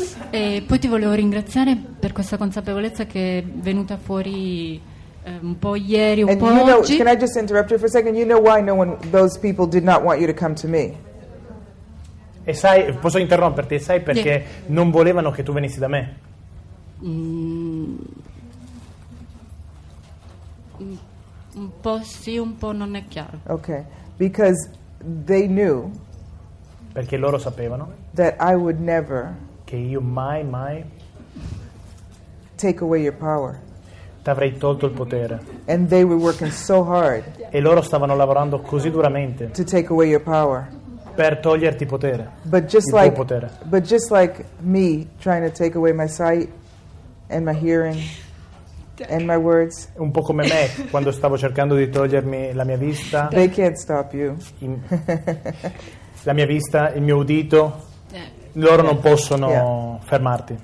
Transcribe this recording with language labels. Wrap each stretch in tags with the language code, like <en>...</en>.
<it>E poi ti volevo ringraziare per questa consapevolezza che è venuta fuori un po' ieri, un po' oggi.</it> <en>Can I just interrupt you for a second? You know why no one, those people did not want you to come to me?</en> <it>E sai, posso interromperti? Sai perché non volevano che tu venissi da me? Un po' sì, un po' non è chiaro.</it> <en>Okay, because they knew.</en> <it>Perché loro sapevano.</it> <en>That I would never.</en> <it>Che io mai, mai.</it> <en>Take away your power.</en> <it>T'avrei tolto il potere.</it> <en>And they were working so hard.</en> <it>E loro stavano lavorando così duramente.</it> <en>To take away your power.</en> <it>Per toglierti potere.</it> <en>But just</en> <it>il</it> <en>like,</en> <it>tuo potere.</it> <en>But just like me trying to take away my sight and my hearing. And my words.</en> <it>Un po' come me quando stavo cercando di togliermi la mia vista.</it> <en>They can't stop you.</en> <it>La mia vista, il mio udito. Loro non possono fermarti.</it>